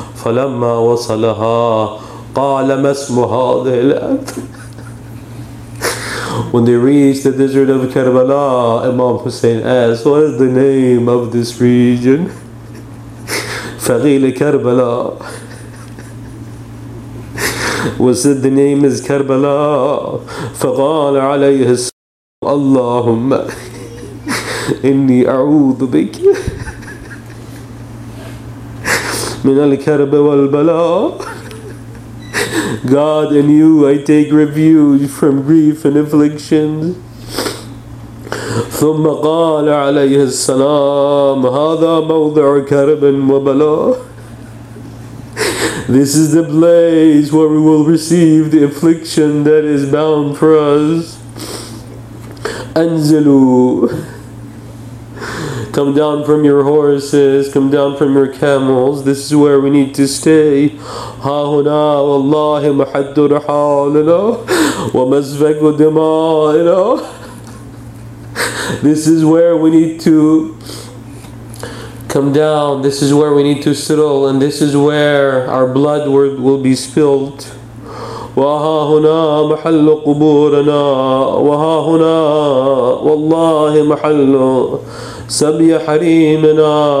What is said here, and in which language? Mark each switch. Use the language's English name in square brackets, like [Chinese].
[Arabic] فلما وصلها قال ما اسم هذه الأرض. [English] When they reached the desert of Karbala, Imam Hussein asked, what is the name of this region? [Arabic] فغيل Karbala. [English] Was said the name is Karbala. [Arabic] فقال عليه السلام اللهم إني أعوذ بك من الكرب والبلاء. [English] God in you I take refuge from grief and afflictions. [Arabic] ثم قال عليه السلام هذا موضع كرب وبلاء. [English] This is the place where we will receive the affliction that is bound for us. [Arabic] أنزلوا. [English] Come down from your horses, come down from your camels. This is where we need to stay. [Arabic] Ha huna wallahi mahaddu rahalina wa masfaku dima'ina. [English] This is where we need to come down. This is where we need to settle, and this is where our blood will be spilled. [Arabic] وها هنا محل قبورنا وها هنا والله محل سبي حريمنا.